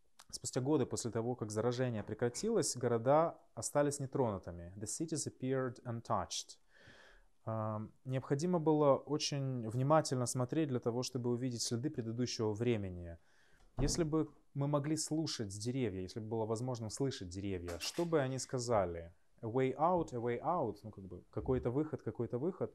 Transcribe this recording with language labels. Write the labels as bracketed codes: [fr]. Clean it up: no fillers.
[ru] Спустя годы после того, как заражение прекратилось, города остались нетронутыми. [en] The cities appeared untouched. [ru] Необходимо было очень внимательно смотреть для того, чтобы увидеть следы предыдущего времени. Если бы мы могли слушать деревья, если бы было возможно слышать деревья, что бы они сказали? [en] A way out, [ru] ну как бы какой-то выход.